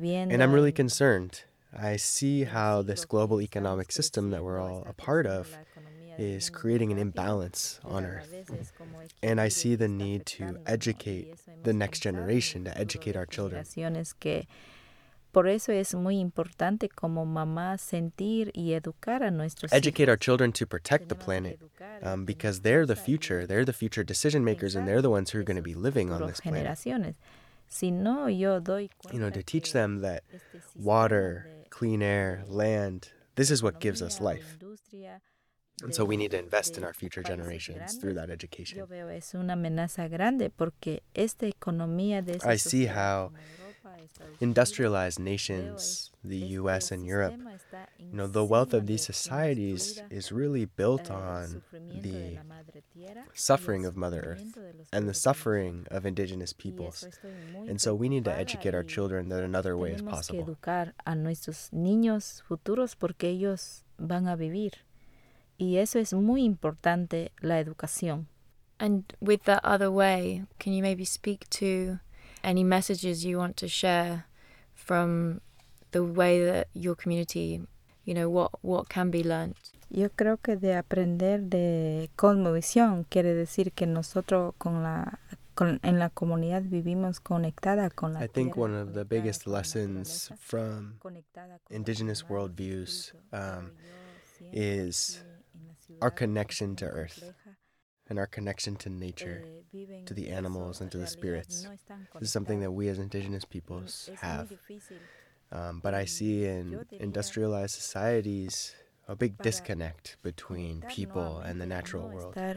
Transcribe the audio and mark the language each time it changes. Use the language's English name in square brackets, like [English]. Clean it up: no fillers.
[English] And I'm really concerned. I see how this global economic system that we're all a part of is creating an imbalance on Earth. And I see the need to educate the next generation, to educate our children. [Spanish] Por eso es muy importante como mamá sentir y educar a nuestros hijos. [English] Educate our children to protect the planet, because they're the future. They're the future decision makers, and they're the ones who are going to be living on this planet. [Spanish] Si no, yo doy [English] cuenta, you know, to teach them that water, clean air, land, this is what gives us life. And so we need to invest in our future generations through that education. [Spanish] Es una amenaza grande porque esta economía de [English] I see how industrialized nations, the U.S. and Europe, you know, the wealth of these societies is really built on the suffering of Mother Earth and the suffering of indigenous peoples. And so we need to educate our children that another way is possible. [Spanish] Educar a nuestros niños futuros porque ellos van a vivir. Y eso es muy importante, la educación. [English] And with that other way, can you maybe speak to any messages you want to share from the way that your community, you know, what can be learned? [Spanish] Yo creo que de aprender de cosmovisión quiere decir que nosotros en la comunidad vivimos conectada con la tierra. [English] I think one of the biggest lessons from indigenous worldviews is our connection to Earth and our connection to nature, to the animals and to the spirits. This is something that we as indigenous peoples have. But I see in industrialized societies a big disconnect between people and the natural world.